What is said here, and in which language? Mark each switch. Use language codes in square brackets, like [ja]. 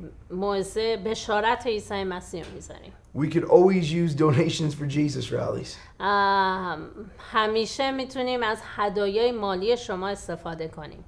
[fa] موعظه بشارت عیسی مسیح میذاریم. [en] We could always use donations for Jesus rallies. [fa] همیشه میتونیم از هدایای مالی شما استفاده کنیم.